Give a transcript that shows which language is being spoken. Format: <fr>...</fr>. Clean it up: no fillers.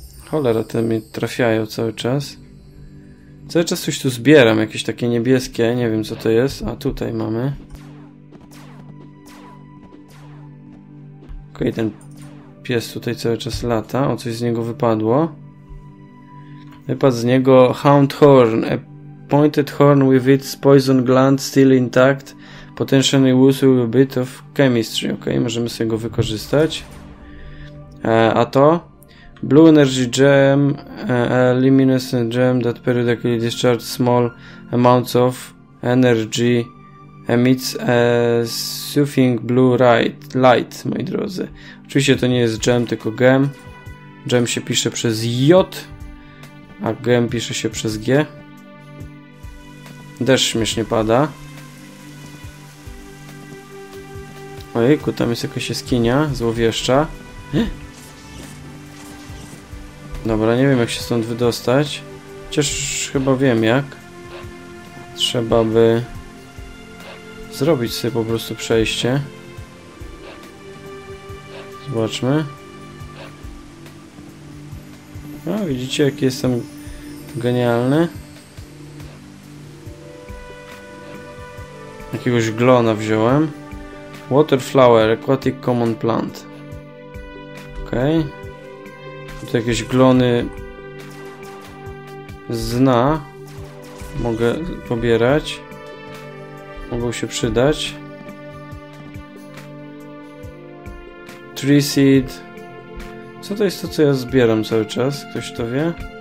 <pl>Cholera, te mi trafiają cały czas. Cały czas coś tu zbieram, jakieś takie niebieskie, nie wiem co to jest. A tutaj mamy. Okej, okay, ten pies tutaj cały czas lata. O, coś z niego wypadło. Wypadł z niego Hound Horn.</pl> <en>A pointed horn with its poison gland still intact. Potentially useful with a bit of chemistry.</en> <pl>Okej, okay, możemy sobie go wykorzystać. A to?</pl> <en>Blue energy gem, luminous gem that periodically discharge small amounts of energy emits a soothing blue light,</en> <pl>moi drodzy. Oczywiście to nie jest gem, tylko gem. Gem się pisze przez J, a gem pisze się przez G. Deszcz śmiesznie pada. Ojejku, tam jest jakaś jaskinia złowieszcza. Dobra, nie wiem jak się stąd wydostać. Chociaż chyba wiem jak. Trzeba by zrobić sobie po prostu przejście. Zobaczmy. A widzicie, jaki jestem genialny. Jakiegoś glona wziąłem.</pl> <en>Water flower, aquatic common plant.</en> <pl>Okej. Okay. Tutaj jakieś glony zna, mogę pobierać, mogą się przydać. Tree seed, co to jest to co ja zbieram cały czas, ktoś to wie?</pl>